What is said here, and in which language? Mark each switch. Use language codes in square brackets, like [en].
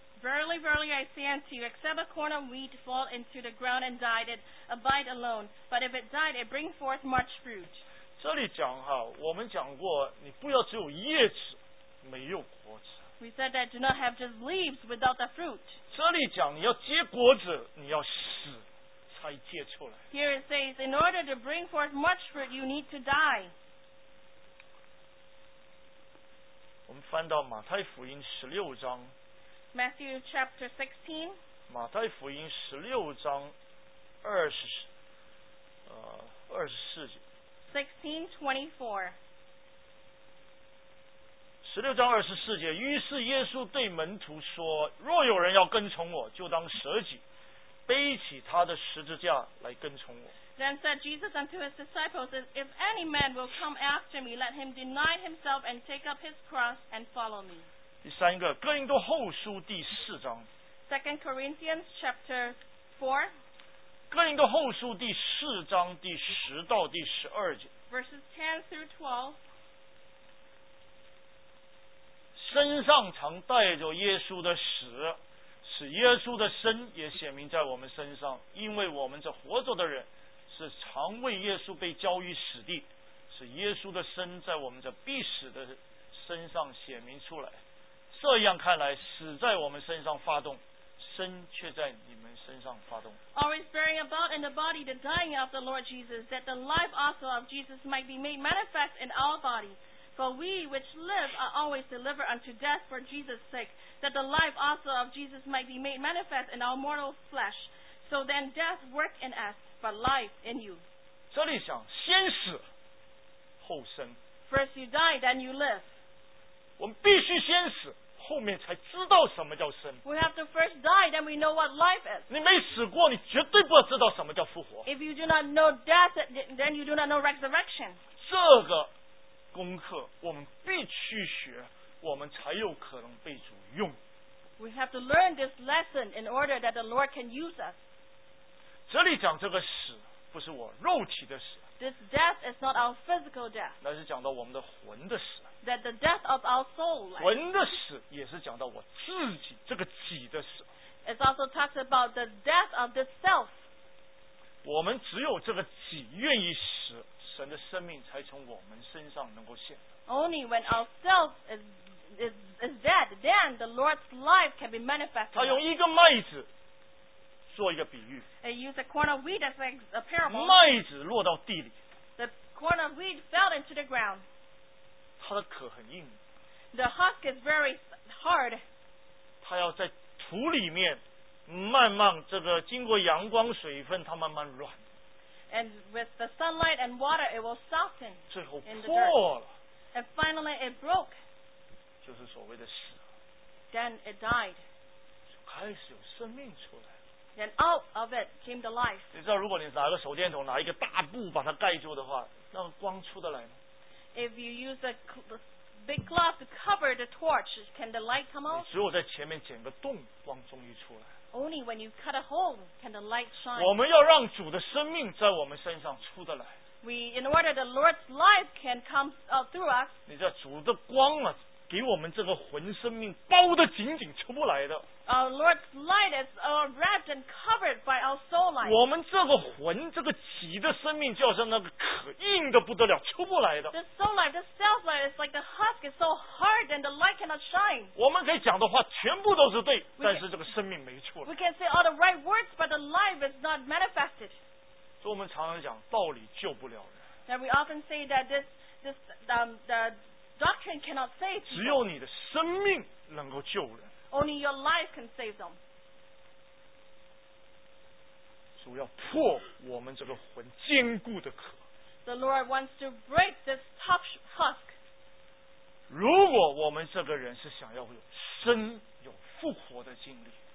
[en] Verily, verily, I say unto you, except a corn of wheat fall into the ground and die, it abide alone. But if it died, it bring forth much fruit. [zh] 这里讲哈，我们讲过，你不要只有叶子，没有果子。 [en] We said that do not have just leaves without the fruit. [zh] 这里讲你要结果子，你要死才结出来。 [en] Here it says, in order to bring forth much fruit, you need to die. [zh] 我们翻到马太福音十六章。 [en] Matthew chapter 16. [zh] 马太福音十六章二十二十四节。 [en] 16:24. [zh] 十六章二十四节，于是耶稣对门徒说：“若有人要跟从我，就当舍己，背起他的十字架来跟从我。” [en] Then said Jesus unto his disciples, "If any man will come after me, let him deny himself and take up his cross and follow me." [zh] 第三个，哥林多后书第四章。 [en] Second Corinthians chapter 4. [zh] 哥林多后书第四章第十到第十二节。 [en] Verses 10 through 12. [zh] 身上常带着耶稣的死，使耶稣的身也显明在我们身上，因为我们这活着的人是常为耶稣被交于死地，使耶稣的身在我们这必死的身上显明出来。这样看来，死在我们身上发动，生却在你们身上发动。 [en] Always bearing about in the body the dying of the Lord Jesus, that the life also of Jesus might be made manifest in our body. For we which live are always delivered unto death for Jesus' sake, that the life also of Jesus might be made manifest in our mortal flesh. So then death work in us, but life in you. [zh] 这里想先死后生。 [en] First you die, then you live. [zh] 我们必须先死，后面才知道什么叫生。 [en] We have to first die, then we know what life is. [zh] 你没死过，你绝对不知道什么叫复活。 [en] If you do not know death, then you do not know resurrection. [zh] 这个功课我们必须学，我们才有可能被主用。 [en] We have to learn this lesson in order that the Lord can use us. [zh] 这里讲这个死，不是我肉体的死。 [en] This death is not our physical death. [zh] 那是讲到我们的魂的死。 [en] That the death of our soul. [zh] 魂的死也是讲到我自己这个己的死。 [en] It also talks about the death of the self. [zh] 我们只有这个己愿意死，神的生命才从我们身上能够显。 [en] Only when our self is dead, then the Lord's life can be manifested. [zh] 他用一个麦子做一个比喻。 [en] He used a corn of wheat as a parable. [zh] 麦子落到地里。 [en] The corn of wheat fell into the ground. [zh] 它的壳很硬。 [en] The husk is very hard. [zh] 它要在土里面慢慢这个经过阳光水分，它慢慢软。 [en] And with the sunlight and water, it will soften. [zh] 最后破了。 [en] And finally, it broke. [zh] 就是所谓的死。 [en] Then it died. [zh] 就开始有生命出来。 [en] And out of it came the life. [zh] 你知道，如果你拿个手电筒，拿一个大布把它盖住的话，那个光出得来吗？ [en] If you use a big cloth to cover the torch, can the light come out? [zh] 只有在前面剪个洞，光终于出来。 [en] Only when you cut a hole can the light shine. [zh] 我们要让主的生命在我们身上出得来。 [en] We, in order the Lord's life can come out through us. [zh] 你知道，主的光啊。给我们这个魂生命包得紧紧出不来的。 [en] Our Lord's light is wrapped and covered by our soul life. [zh] 我们这个魂这个体的生命就像那个壳硬得不得了出不来的。 [en] The soul life, the self life is like the husk is so hard and the light cannot shine. [zh] 我们可以讲的话全部都是对，但是这个生命没出来。 [en] We can say all the right words, but the life is not manifested. [zh] 所以我们常常讲道理救不了人。 [en] And we often say that the doctrine cannot save. [zh] 只有你的生命能够救人。 [en] Only your life can save them. [zh] 主要破我们这个魂坚固的壳。 [en] The Lord wants to break this top husk. [zh] 如果我们这个人是想要有生有复活的经历。